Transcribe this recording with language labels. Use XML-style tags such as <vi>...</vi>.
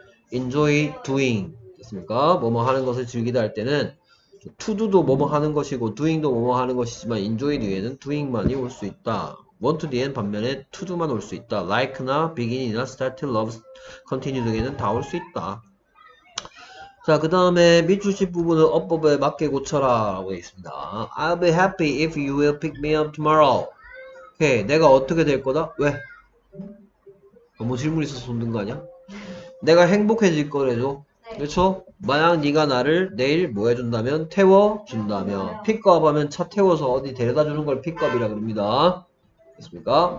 <ko>enjoy doing. 됐습니까? 뭐뭐 하는 것을 즐기다 할 때는 to do도 뭐뭐 하는 것이고 doing도 뭐뭐 하는 것이지만 enjoy 뒤에는 doing만이 올 수 있다. want to do는 반면에 to do만 올 수 있다. like나 begin이나 start, love, continue 등에는 다 올 수 있다. 자, 그 다음에 밑줄씹 부분은 어법에 맞게 고쳐라 라고 있습니다.</ko> <en>I'll be happy if you will pick me up tomorrow.</en> <ko>오케이, 내가 어떻게 될 거다? 왜? 너무 질문 있어서 손든 거 아니야? 내가 행복해질 거래죠. 그렇죠? 만약 네가 나를 내일 뭐 해준다면? 태워준다면. pick up 하면 차 태워서 어디 데려다 주는 걸 pick up이라 그럽니다. 됐습니까?</ko>